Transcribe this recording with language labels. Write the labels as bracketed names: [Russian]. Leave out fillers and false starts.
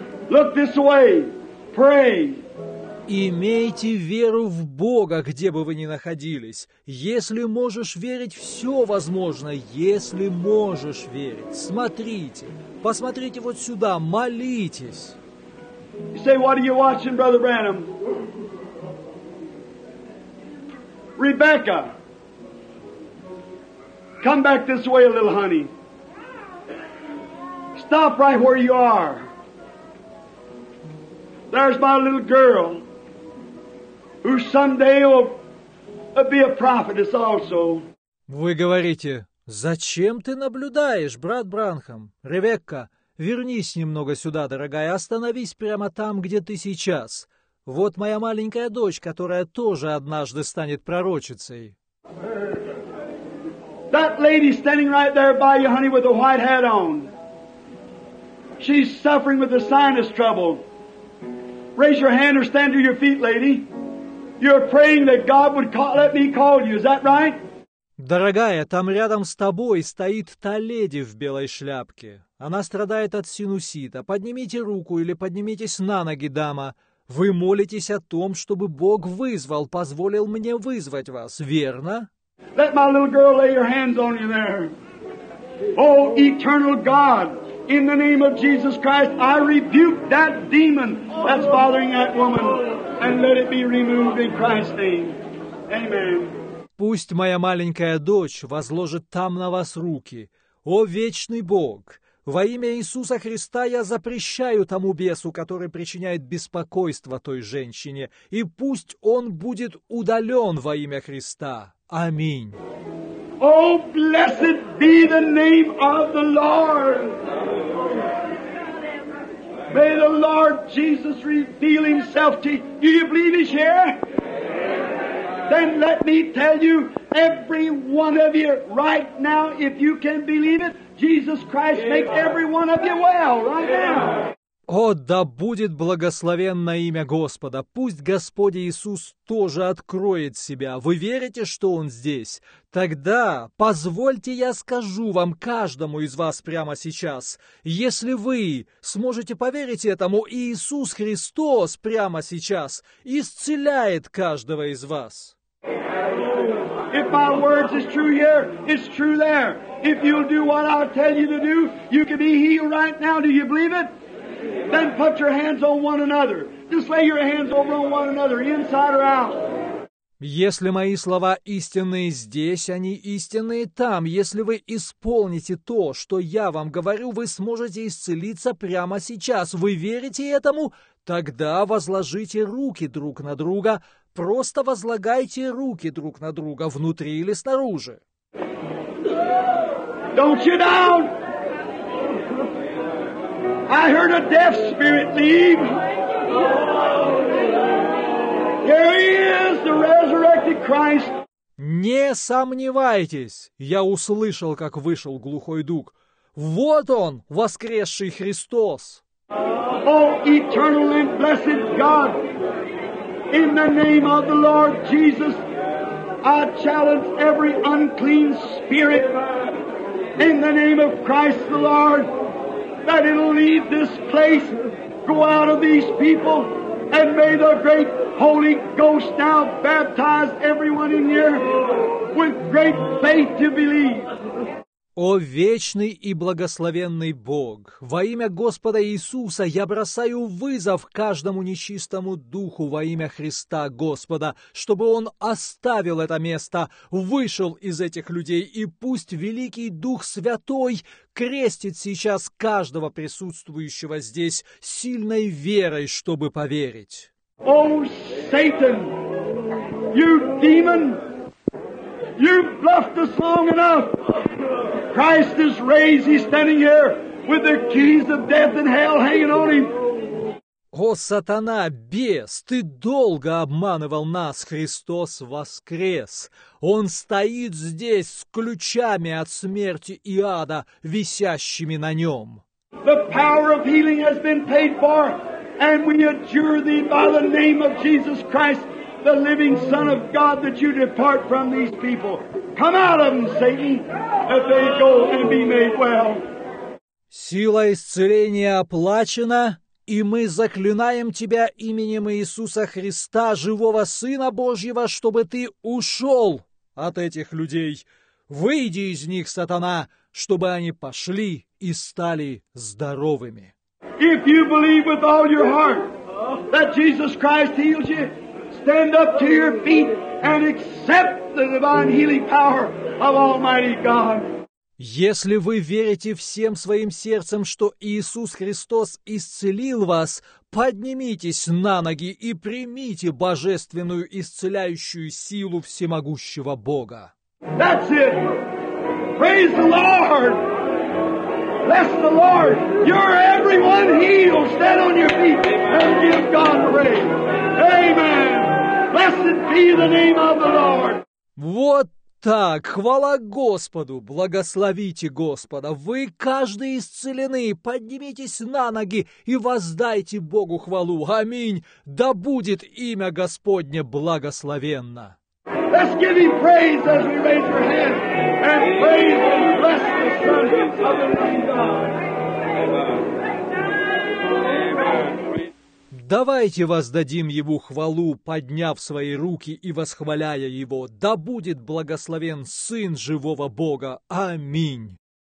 [English] Look this way. Pray. [Russian] Имейте веру в Бога, где бы вы ни находились. Если можешь верить, все возможно. Если можешь верить, смотрите. Посмотрите вот сюда, молитесь. [English] You say, what are you watching, Brother Branham? Rebecca, come back this way a little, honey. Stop right where you are. There's my little girl. Who someday will be a prophetess also. [Russian] Вы говорите, зачем ты наблюдаешь, брат Бранхам? Ревекка, вернись немного сюда, дорогая, остановись прямо там, где ты сейчас. Вот моя маленькая дочь, которая тоже однажды станет пророчицей. [English] That lady standing right there by you, honey, with a white hat on. She's suffering with the sinus trouble. Raise your hand or stand to your feet, lady. You're praying that God would let me call you. Is that right? [Russian] Дорогая, там рядом с тобой стоит та леди в белой шляпке. Она страдает от синусита. Поднимите руку или поднимитесь на ноги, дама. Вы молитесь о том, чтобы Бог вызвал, позволил мне вызвать вас, верно? [English] Let my little girl lay your hands on you there. Oh, eternal God, in the name of Jesus Christ, I rebuke that demon that's bothering that woman. And let it be removed in Christ's name. Amen. [Russian] Пусть моя маленькая дочь возложит там на вас руки. О, вечный Бог! Во имя Иисуса Христа я запрещаю тому бесу, который причиняет беспокойство той женщине, и пусть он будет удален во имя Христа. Аминь. [English] О, blessed be the name of the Lord! May the Lord Jesus reveal Himself to you. Do you believe He's here? Amen. Then let me tell you, every one of you right now, if you can believe it, Jesus Christ, make every one of you well right now. [Russian] О, да будет благословенно имя Господа! Пусть Господь Иисус тоже откроет себя. Вы верите, что Он здесь? Тогда позвольте я скажу вам, каждому из вас прямо сейчас, если вы сможете поверить этому, Иисус Христос прямо сейчас исцеляет каждого из вас. [English] If my words is true here, it's true there. If you'll do what I tell you to do, you can be healed right now. Do you believe it? Then put your hands on one another. Just lay your hands over on one another, inside or out. [Russian] Если мои слова истинные здесь, они истинные там. Если вы исполните то, что я вам говорю, вы сможете исцелиться прямо сейчас. Вы верите этому? Тогда возложите руки друг на друга. Просто возлагайте руки друг на друга, внутри или снаружи. [English] Don't you down! I heard a deaf spirit leave. Here he is, the resurrected Christ. [Russian] Не сомневайтесь, я услышал, как вышел глухой дух. Вот он, воскресший Христос. [English] О, eternal and blessed God, in the name of the Lord Jesus, I challenge every unclean spirit in the name of Christ the Lord. That it'll leave this place, go out of these people, and may the great Holy Ghost now baptize everyone in here with great faith to believe. [Russian] О вечный и благословенный Бог! Во имя Господа Иисуса я бросаю вызов каждому нечистому духу во имя Христа Господа, чтобы он оставил это место, вышел из этих людей, и пусть Великий Дух Святой крестит сейчас каждого присутствующего здесь сильной верой, чтобы поверить. [English] О, Сатан! You demon! You bluffed us long enough! Christ is raised, he's standing here with the keys of death and hell hanging on him. [Russian] О, сатана, бес, ты долго обманывал нас, Христос воскрес. Он стоит здесь с ключами от смерти и ада, висящими на нем. [English] The power of healing has been paid for, and we adjure thee by the name of Jesus Christ, the living Son of God, that you depart from these people. Come out of them, Satan! That they go and be made well. [Russian] Сила исцеления оплачена, и мы заклинаем тебя именем Иисуса Христа, живого Сына Божьего, чтобы ты ушел от этих людей. Выйди из них, сатана, чтобы они пошли и стали здоровыми. [English] If you believe with all your heart that Jesus Christ heals you, stand up to your feet and accept the divine healing power of Almighty God. [Russian] Если вы верите всем своим сердцем, что Иисус Христос исцелил вас, поднимитесь на ноги и примите божественную исцеляющую силу всемогущего Бога. [English] That's it. Praise the Lord. Bless the Lord. You're everyone healed. Stand on your feet and give God praise. Amen. Blessed be the name of the Lord. [Russian] Вот так, хвала Господу, благословите Господа, вы каждый исцелены, поднимитесь на ноги и воздайте Богу хвалу, аминь, да будет имя Господне благословенно. [English] Let's give him praise as we raise our hands, and praise and bless the Son of the living God. [Russian] Давайте воздадим Ему хвалу, подняв свои руки и восхваляя Его. Да будет благословен Сын живого Бога. Аминь.